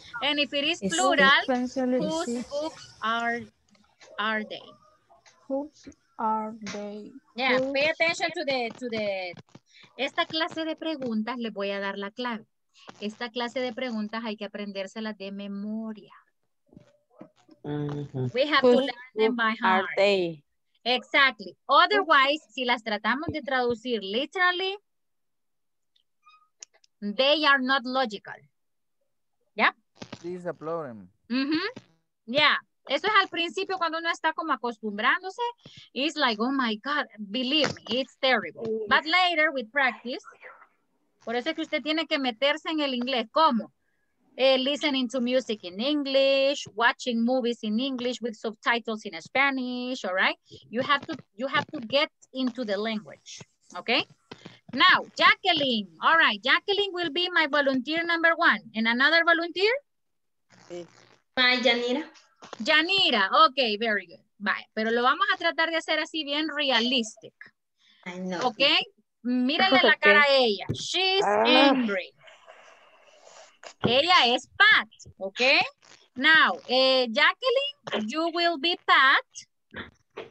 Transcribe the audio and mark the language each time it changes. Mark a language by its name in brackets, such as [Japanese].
[English] And if it is plural, whose books are they? Yeah, pay attention to the. [Spanish] Esta clase de preguntas, les voy a dar la clave. Esta clase de preguntas hay que aprendérselas de memoria. Mm-hmm. [English] We have to learn them by heart. Are they? Exactly. Otherwise, [Spanish] si las tratamos de traducir [English] literally, they are not logical. Yeah? This is a problem. Mm-hmm. Yeah. [Spanish] Eso es al principio cuando uno está como acostumbrándose. [English] It's like, oh my God, believe me, it's terrible. But later, with practice, [Spanish] por eso es que usted tiene que meterse en el inglés. ¿Cómo? [English] Listening to music in English, watching movies in English with subtitles in Spanish, all right? You have to get into the language, okay? Now, Jacqueline, all right. Jacqueline will be my volunteer number one. And another volunteer? Bye, Janira. Janira, okay, very good. Bye. [Spanish] Pero lo vamos a tratar de hacer así bien realistic. [English] I know. [Spanish] Okay? Mírenle la cara a ella. [English] She's angry. [Spanish] Ella es Pat, [English] okay? Now, Jacqueline, you will be Pat.